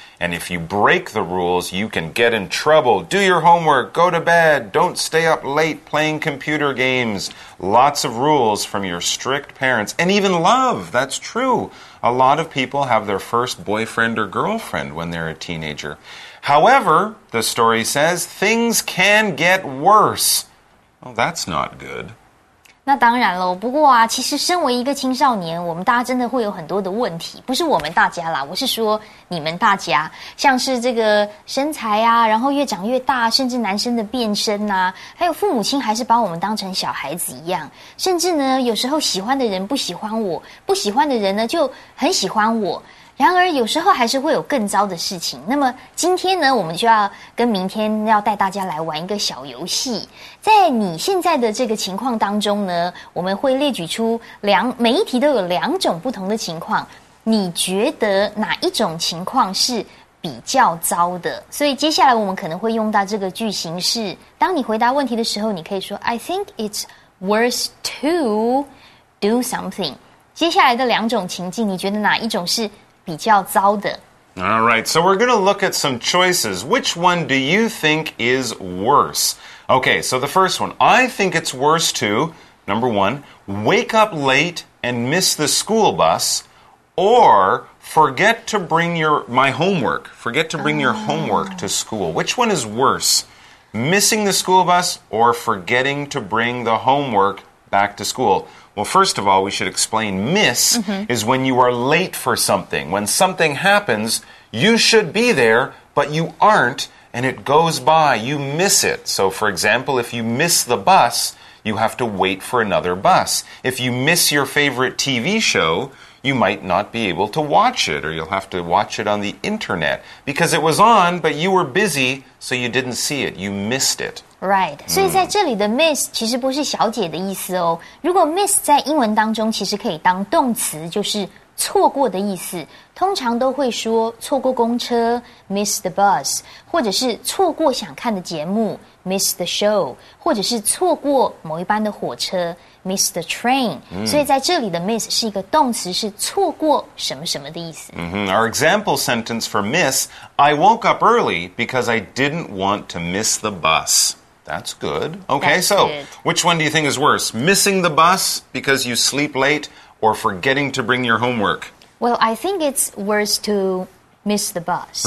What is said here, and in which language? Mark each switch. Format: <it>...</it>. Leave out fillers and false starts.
<en>And if you break the rules, you can get in trouble. Do your homework, go to bed, don't stay up late playing computer games. Lots of rules from your strict parents. And even love, that's true. A lot of people have their first boyfriend or girlfriend when they're a teenager. However, the story says, things can get worse. Well, that's not good.</en> <zh>那当然了，不过啊，其实身为一个青少年，我们大家真的会有很多的问题，不是我们大家啦，我是说你们大家，像是这个身材啊，然后越长越大，甚至男生的变身啊，还有父母亲还是把我们当成小孩子一样，甚至呢，有时候喜欢的人不喜欢我，不喜欢的人呢，就很喜欢我。然而有时候还是会有更糟的事情。那么今天呢，我们就要跟明天要带大家来玩一个小游戏。在你现在的这个情况当中呢，我们会列举出每一题都有两种不同的情况。你觉得哪一种情况是比较糟的？所以接下来我们可能会用到这个句型是，当你回答问题的时候，你可以说</zh> <en>I think it's worse to do something。</en> <zh>接下来的两种情境，你觉得哪一种是比较糟的。</zh> <en>All right, so we're going to look at some choices. Which one do you think is worse? Okay, so the first one. I think it's worse to, number one, wake up late and miss the school bus, or forget to bring my homework. Forget to bring your homework to school. Which one is worse? Missing the school bus or forgetting to bring the homework back to school? Well, first of all, we should explain miss、mm-hmm. is when you are late for something. When something happens, you should be there, but you aren't, and it goes by. You miss it. So, for example, if you miss the bus, you have to wait for another bus. If you miss your favorite TV show, you might not be able to watch it, or you'll have to watch it on the internet because it was on, but you were busy, so you didn't see it. You missed it.</en> <zh>Right, 所以在这里的 miss 其实不是小姐的意思哦。如果 miss 在英文当中其实可以当动词，就是错过的意思。通常都会说错过公车</zh> <en>miss the bus，</en> <zh>或者是错过想看的节目</zh> <en>miss the show，</en> <zh>或者是错过某一班的火车</zh> <en>miss the train。</en> <zh>所以在这里的 miss 是一个动词，是错过什么什么的意思。</zh> <en>Our example sentence for miss: I woke up early because I didn't want to miss the bus. That's good. Okay, That's so good. Which one do you think is worse? Missing the bus because you sleep late or forgetting to bring your homework? Well, I think it's worse to miss the bus.</en>